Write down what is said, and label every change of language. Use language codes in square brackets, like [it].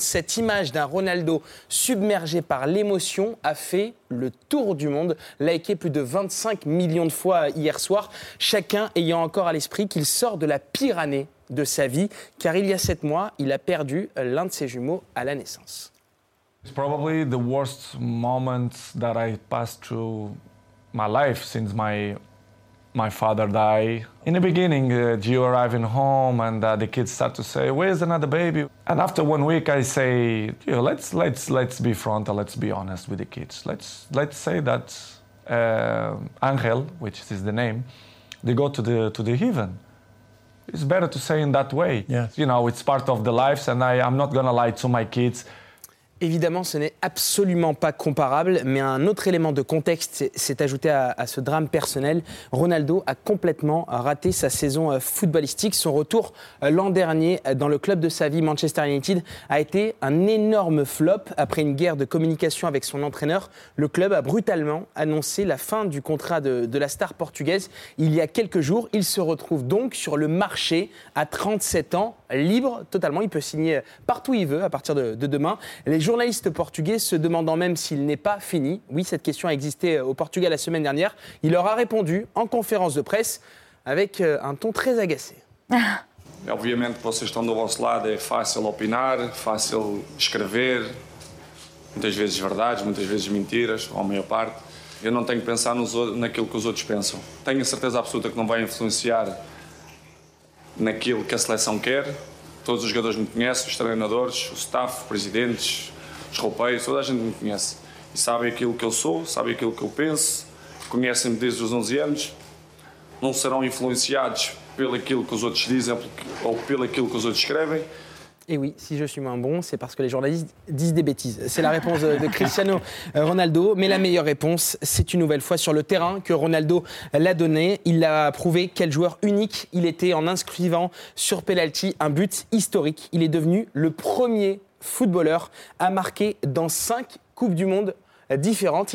[fr] Cette image d'un Ronaldo submergé par l'émotion a fait le tour du monde, liké plus de 25 millions de fois hier soir, chacun ayant encore à l'esprit qu'il sort de la pire année de sa vie, car il y a 7 mois, il a perdu l'un de ses jumeaux à la naissance. [en] It's probably the worst moment that I passed through my life since my father died. In the beginning, you arrive in home and the kids start to say, "Where's another baby?" And after 1 week, I say, "You know, let's be frontal, let's be honest with the kids. Let's say that Angel, which is the name, they go to the heaven. It's better to say in that way. Yes. You know, it's part of the lives, and I'm not gonna lie to my kids." [fr] Évidemment, ce n'est absolument pas comparable, mais un autre élément de contexte s'est ajouté à ce drame personnel. Ronaldo a complètement raté sa saison footballistique. Son retour l'an dernier dans le club de sa vie, Manchester United, a été un énorme flop. Après une guerre de communication avec son entraîneur, le club a brutalement annoncé la fin du contrat de la star portugaise. Il y a quelques jours, il se retrouve donc sur le marché à 37 ans, libre totalement. Il peut signer partout où il veut à partir de demain. Les journalistes portugais se demandant même s'il n'est pas fini. Oui, cette question a existé au Portugal la semaine dernière. Il leur a répondu en conférence de presse avec un ton très agacé. [pt] Obviamente, vocês estão do vosso lado, é fácil opinar, fácil escrever, muitas vezes verdades, muitas vezes mentiras, ou a maior parte. Eu não tenho que pensar naquilo que os outros pensam. Tenho a certeza absoluta que não vai influenciar naquilo que a seleção quer. Todos os jogadores me conhecem, os treinadores, o staff, os presidentes, os roupeiros, toda a gente me conhece. E sabem aquilo que eu sou, sabem aquilo que eu penso, conhecem-me desde os 11 anos. Não serão influenciados pelo aquilo que os outros dizem ou pelo aquilo que os outros escrevem. [fr] Et oui, si je suis moins bon, c'est parce que les journalistes disent des bêtises. C'est la réponse de Cristiano Ronaldo. Mais la meilleure réponse, c'est une nouvelle fois sur le terrain que Ronaldo l'a donné. Il l'a prouvé quel joueur unique il était en inscrivant sur penalty un but historique. Il est devenu le premier footballeur à marquer dans 5 Coupes du Monde différentes.